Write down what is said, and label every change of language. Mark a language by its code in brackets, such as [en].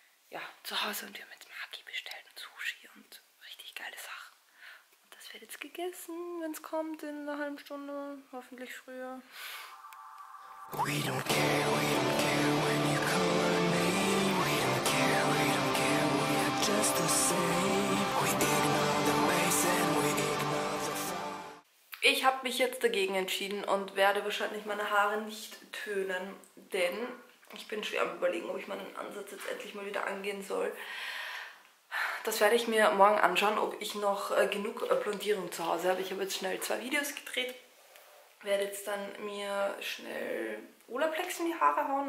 [de] Ja, zu Hause und wir haben jetzt Maggi bestellt und Sushi und richtig geile Sachen. Und das wird jetzt gegessen, wenn es kommt, in einer halben Stunde, hoffentlich früher. [en] We don't care, we don't care when you call our name. We don't care, we are just the same. We ignore the ways and we ignore the fall. [de] Ich habe mich jetzt dagegen entschieden und werde wahrscheinlich meine Haare nicht tönen, denn... Ich bin schwer am Überlegen, ob ich meinen Ansatz jetzt endlich mal wieder angehen soll. Das werde ich mir morgen anschauen, ob ich noch genug Blondierung zu Hause habe. Ich habe jetzt schnell 2 Videos gedreht, werde jetzt dann mir schnell Olaplex in die Haare hauen.